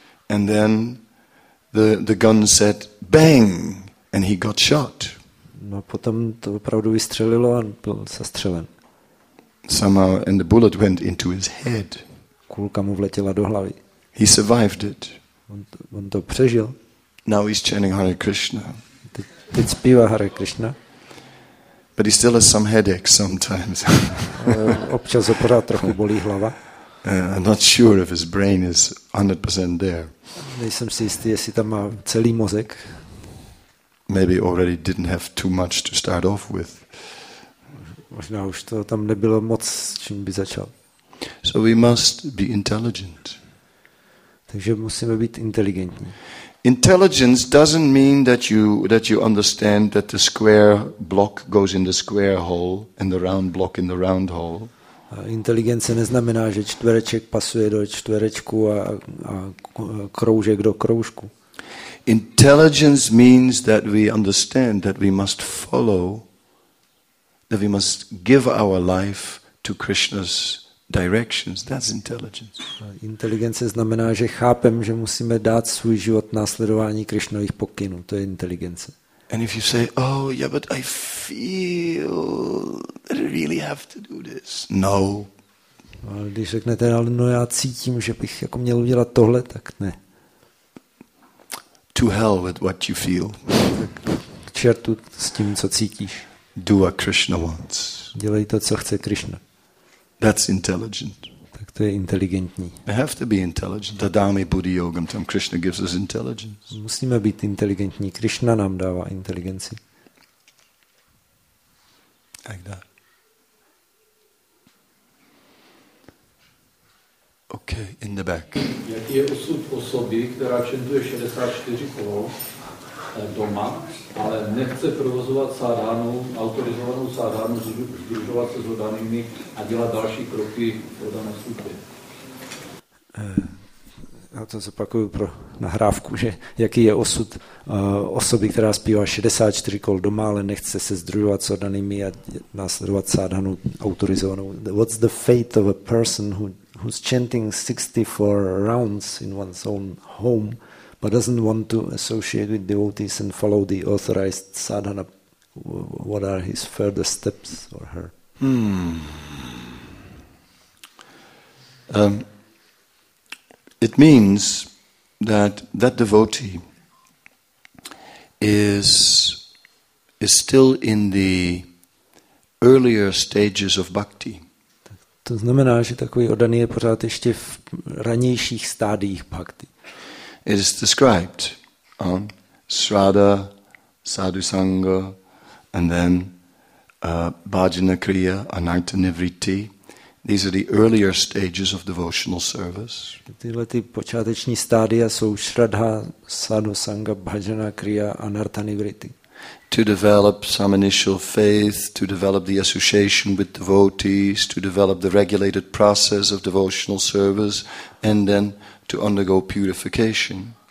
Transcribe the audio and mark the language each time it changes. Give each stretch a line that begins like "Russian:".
English: And then the gun said bang and he got shot.
Czech: No potom to opravdu vystřelilo a byl zastřelen.
English: Somehow, and the bullet went into his head.
Czech: Kulka mu vletěla do hlavy.
English: He survived it.
Czech: On to přežil.
English: Now he's chanting Hare Krishna.
Czech: Teď zpívá Hare Krishna.
English: But he still has some headache sometimes.
Czech: Občas ho pořád trochu bolí hlava.
English: I'm not sure if his brain is 100% there.
Czech: Nejsem si jistý, jestli tam má celý mozek.
English: Maybe already didn't have too much to start off with.
Czech: Možná už to tam nebylo moc, čím by začal.
English: So we must be intelligent.
Czech: Takže musíme být inteligentní.
English: Intelligence doesn't mean that you understand that the square block goes in the square hole and the round block in the round hole.
Czech: Inteligence neznamená, že čtvereček pasuje do čtverečku a kroužek do kroužku.
English: Intelligence means that we understand that we must follow, that we must give our life to Krishna's directions. That's intelligence.
Czech: Inteligence znamená, že chápem, že musíme dát svůj život následování Krišnových pokynů. To je inteligence.
English: And if you say, oh yeah, but I feel that I really have to do this. No.
Czech: A když řeknete, no já cítím, že bych jako měl udělat tohle, tak ne.
English: To hell with what you feel.
Czech: K čertu s tím, co cítíš.
English: Do what Krishna wants.
Czech: Dělej to, co chce Krishna.
English: That's intelligent.
Czech: Tak to je inteligentní.
English: We have to be intelligent.
Sanskrit: Tadami buddhi yogam tam
English: Krishna gives us intelligence.
Czech: Musíme být inteligentní. Krishna nám dává inteligenci.
English: Like that. Okay, in the back.
Czech: Jaký je osud osoby, která čentuje 64 kolo doma, ale nechce provozovat sádhanu, autorizovanou sádhanu, združovat se s oddanými a dělat další kroky v oddané skupě? Já to zopakuju pro nahrávku, že jaký je osud osoby, která zpívá 64 kol doma, ale nechce se združovat s oddanými a následovat sádhanu autorizovanou.
English: What's the fate of a person who's chanting 64 rounds in one's own home, but doesn't want to associate with devotees and follow the authorized sadhana? What are his further steps or her? It means that devotee is still in the earlier stages of bhakti.
Czech: To znamená, že takový oddaný je pořád ještě v ranějších stádiích bhakti.
English: It is described on Shraddha, Sadhu Sangha, and then Bhajana Kriya, Anartha Nivritti. These are the earlier stages of devotional service.
Czech: Tyhle ty počáteční stádia jsou Shraddha, Sadhu Sangha, Bhajana Kriya, Anartha Nivritti.
English: To develop some initial faith, to develop the association with devotees, to develop the regulated process of devotional service, and then to undergo purification.